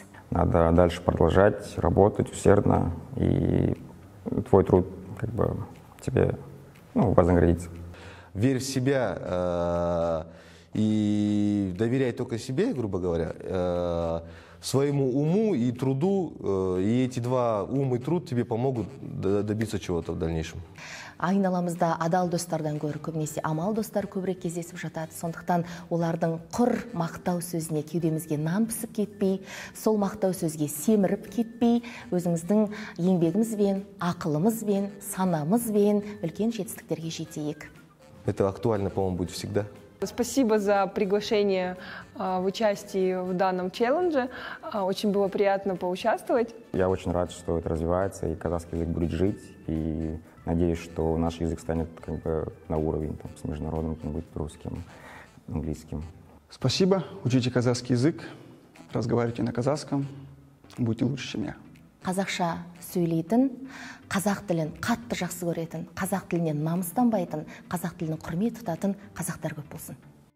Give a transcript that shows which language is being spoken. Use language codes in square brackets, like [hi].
[ru] Надо дальше продолжать работать усердно, и твой труд как бы тебе, ну, вознаградится. Верь в себя и доверяй только себе, грубо говоря, своему уму и труду, и эти два, ум и труд, тебе помогут добиться чего-то в дальнейшем. [kk] Айналамызда адал достардан көрі көбінесе амал достар көбірек кездесіп жатады. Сондықтан олардың құр мақтау сөзіне кеудемізге нан пісіп кетпей, сол мақтау сөзге семіріп кетпей, өзіңіздің еңбегімізбен, ақылымызбен, санамызбен үлкен жетістіктерге жетейік. [ru] Это актуально, по-моему, будет всегда. Спасибо за приглашение в участие в данном челлендже. Очень было приятно поучаствовать. Я очень рад, что это развивается, и казахский язык будет жить, и надеюсь, что наш язык станет как бы на уровень там, с международным, там, будет русским, английским. Спасибо. Учите казахский язык, разговаривайте на казахском, будьте лучше, чем я. [kk] Қазақша сөйлейтін, қазақ тілін қатты жақсы көретін, қазақ тіліне намыстанбайтын, қазақ тілінің құрмет тұтатын қазақтар көп болсын.